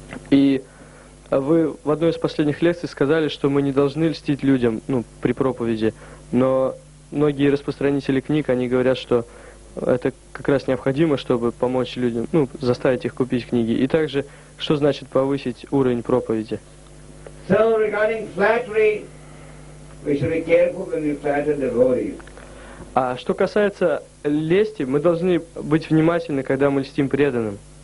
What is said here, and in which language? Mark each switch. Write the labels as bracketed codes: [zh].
[ru] И вы в одной из последних лекций сказали, что мы не должны льстить людям, ну, при проповеди, но многие распространители книг, они говорят, что это как раз необходимо, чтобы помочь людям, ну, заставить их купить книги. И также, что значит повысить уровень проповеди? [en] So, regarding flattery, we should be careful when we flatter the devotees. [ru] А что касается лести, мы должны быть внимательны, когда мы льстим преданным.